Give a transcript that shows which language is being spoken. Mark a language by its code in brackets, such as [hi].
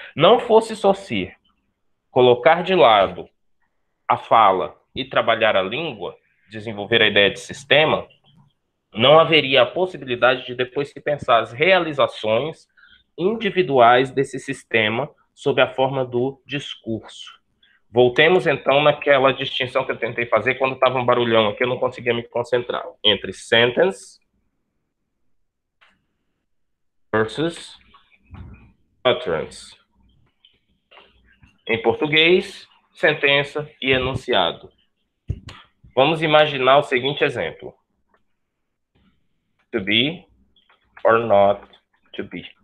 [pt] Não fosse Saussure colocar de lado a fala e trabalhar a língua, desenvolver a ideia de sistema, não haveria a possibilidade de depois se pensar as realizações individuais desse sistema sob a forma do discurso. Voltemos, então, naquela distinção que eu tentei fazer quando estava um barulhão aqui, eu não conseguia me concentrar. Entre sentence versus utterance. Em português, sentença e enunciado. Vamos imaginar o seguinte exemplo. [en] To be or not to be.